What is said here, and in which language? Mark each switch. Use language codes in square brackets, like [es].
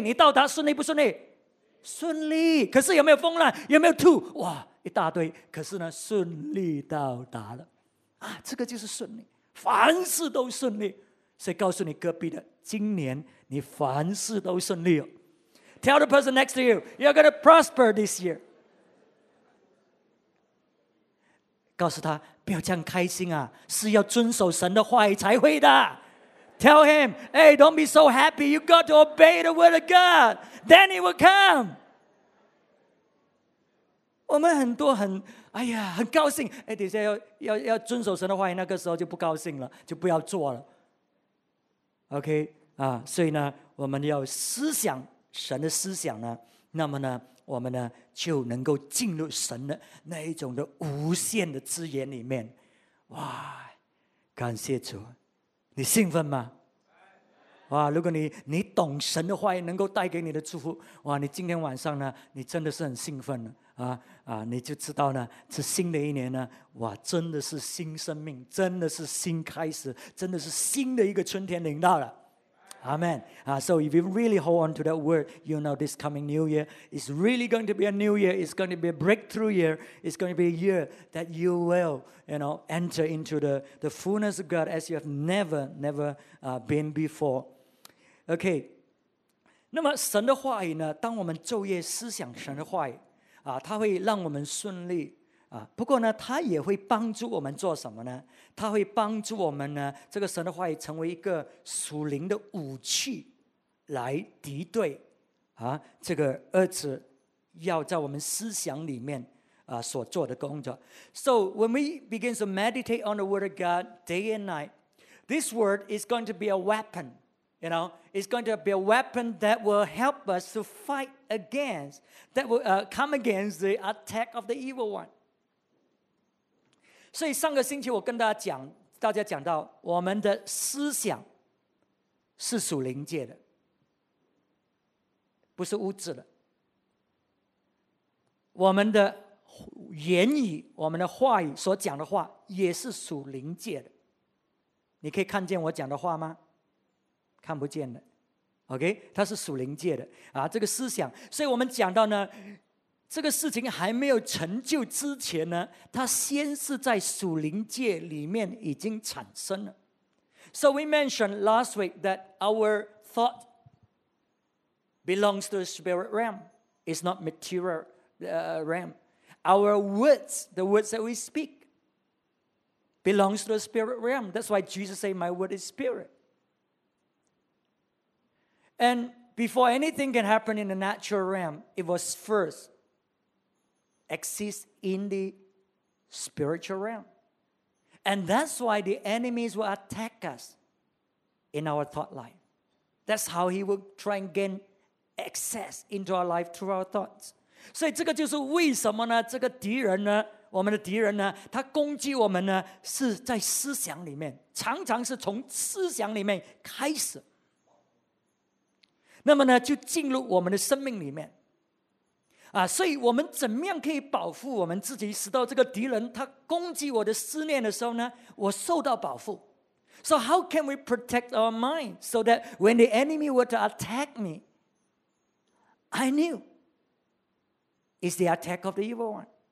[zh] 你到达顺利不顺利？顺利，可是有没有风浪？有没有吐？哇，一大堆，可是呢，顺利到达了，啊，这个就是顺利，凡事都顺利。所以告诉你隔壁的，今年你凡事都顺利哦。 [en] Tell the person next to you, you're going to prosper this year. [zh] 告诉他，不要这样开心啊，是要遵守神的话语才会的。 [en] Tell him, hey, don't be so happy, you got to obey the word of God, then it will come. [zh] 我们很多很，哎呀，很高兴，哎，等一下要遵守神的话语，那个时候就不高兴了，就不要做了。 OK, 啊，所以呢，我们要思想神的思想呢，那么呢，我们呢就能够进入神的那一种的无限的资源里面。哇，感谢主，你兴奋吗？哇，如果你懂神的话语能够带给你的祝福，哇，你今天晚上呢，你真的是很兴奋啊，你就知道呢，这新的一年呢，哇，真的是新生命，真的是新开始，真的是新的一个春天临到了。 [en] Amen. So if you really hold on to that word, you know this coming new year is really going to be a new year, it's going to be a breakthrough year, it's going to be a year that you will, you know, enter into the fullness of God as you have never been before. Okay. [zh] 那么神的话语呢，当我们昼夜思想神的话语啊，它会让我们顺利啊。不过呢，它也会帮助我们做什么呢？它会帮助我们呢，这个神的话语成为一个属灵的武器来敌对啊这个恶者要在我们思想里面啊所做的工作。 [en] So when we begin to meditate on the word of God day and night, this word is going to be a weapon. You know, it's going to be a weapon that will help us to fight. come against the attack of the evil one. [zh] 所以上个星期我跟大家讲到我们的思想是属灵界的，不是物质的。我们的言语，我们的话语所讲的话也是属灵界的。你可以看见我讲的话吗？看不见的。 OK, 它是属灵界的啊，这个思想。所以我们讲到呢，这个事情还没有成就之前呢，它先是在属灵界里面已经产生了。 [en] So we mentioned last week that our thought belongs to the spirit realm, it's not material realm. Our words, the words that we speak, belongs to the spirit realm. That's why Jesus said, "My word is spirit." And before anything can happen in the natural realm, it was first exist in the spiritual realm. And that's why the enemies will attack us in our thought life. That's how he will try and gain access into our life through our thoughts. [zh] 所以这个就是为什么呢？这个敌人呢，我们的敌人呢，他攻击我们呢，是在思想里面，常常是从思想里面开始。那么呢，就进入我们的生命里面。啊，所以我们怎么样可以保护我们自己，使到这个敌人他攻击我的思念的时候呢，我受到保护。 [en] So how can we protect our mind so that when the enemy were to attack me, I knew it's the attack of the evil one.